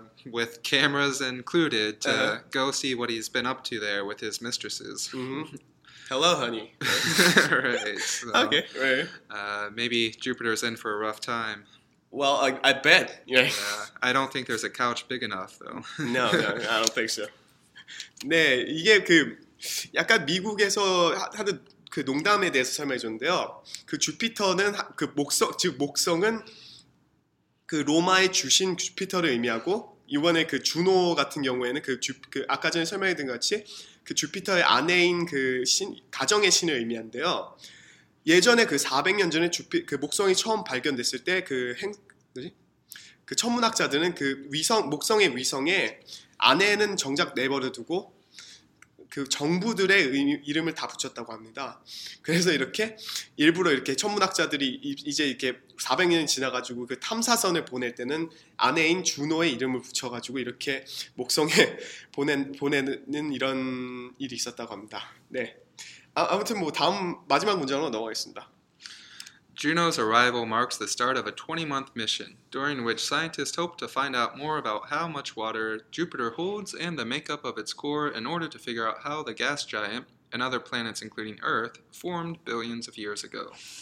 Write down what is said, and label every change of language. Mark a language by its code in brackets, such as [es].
[en] With cameras included to go see what he's been up to there with his mistresses. Hello, honey. Right. So, okay, right. Maybe Jupiter's in for a rough time. Well, I bet. Yeah. I don't think there's a couch big enough, though. No, I don't think so. [ko] 네, 이게 그 약간 미국에서 하는 그 농담에 대해서 설명해 줬는데요. 그 주피터는 그 목성, 즉 목성은 그 로마의 주신 주피터를 의미하고 이번에 그 주노 같은 경우에는 그 아까 전에 설명해드린 것 같이 그 주피터의 아내인 그 신, 가정의 신을 의미한데요. 예전에 그 400년 전에 그 목성이 처음 발견됐을 때 그 천문학자들은 그 위성, 목성의 위성에 아내는 정작 내버려 두고 그 정부들의 이름을 다 붙였다고 합니다. 그래서 이렇게 일부러 이렇게 천문학자들이 이제 이렇게 400년이 지나가지고 그 탐사선을 보낼 때는 아내인 주노의 이름을 붙여가지고 이렇게 목성에 보내는 이런 일이 있었다고 합니다. 네. 아무튼 뭐 다음 마지막 문장으로 넘어가겠습니다. [en] Juno's arrival marks the start of a 20-month mission, during which scientists hope to find out more about how much water Jupiter holds and the makeup of its core in order to figure out how the gas giant and other planets, including Earth, formed billions of years ago.